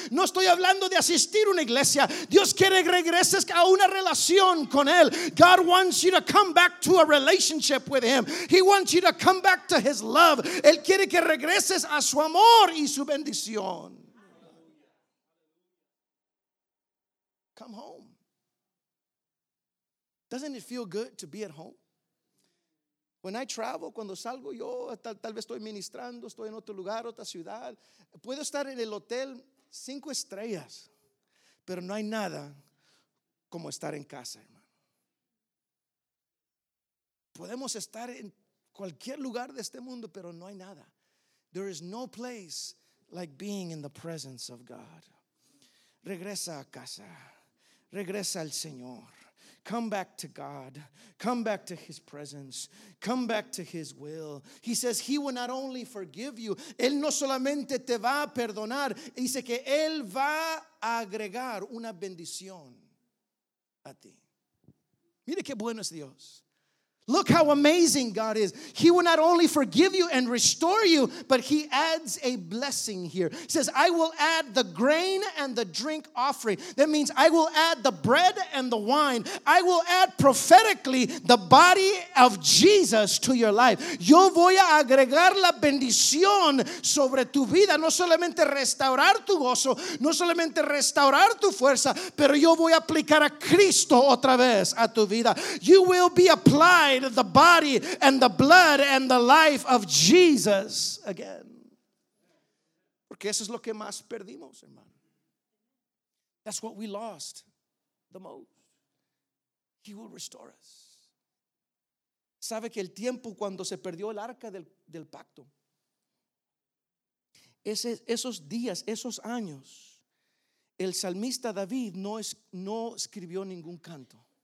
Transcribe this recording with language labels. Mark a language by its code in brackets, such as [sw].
[es] No estoy hablando de asistir a una iglesia. Dios quiere que regreses a una relación con él. [en] God wants you to come back to a relationship with him. He wants you to come back to his love. [es] Él quiere que regreses a su amor y su bendición. [en] Come home. Doesn't it feel good to be at home? When I travel, [es] cuando salgo yo, tal vez estoy ministrando, estoy en otro lugar, otra ciudad. Puedo estar en el hotel 5 estrellas, pero no hay nada como estar en casa, hermano. Podemos estar en cualquier lugar de este mundo, pero no hay nada. [en] There is no place like being in the presence of God. [es] Regresa a casa. Regresa al Señor. [en] Come back to God. Come back to his presence. Come back to his will. He says he will not only forgive you. [es] Él no solamente te va a perdonar. Dice que él va a agregar una bendición a ti. Mire qué bueno es Dios. [en] Look how amazing God is. He will not only forgive you and restore you, but he adds a blessing here. He says, I will add the grain and the drink offering. That means I will add the bread and the wine. I will add prophetically the body of Jesus to your life. [es] Yo voy a agregar la bendición sobre tu vida. No solamente restaurar tu gozo, no solamente restaurar tu fuerza, pero yo voy a aplicar a Cristo otra vez a tu vida. [en] You will be applied the body and the blood and the life of Jesus again. [es] Porque eso es lo que más perdimos, hermano. [en] That's what we lost the most. He will restore us. [es] Sabe que el tiempo cuando se perdió el arca del pacto, esos días, esos años, el salmista David no escribió ningún canto.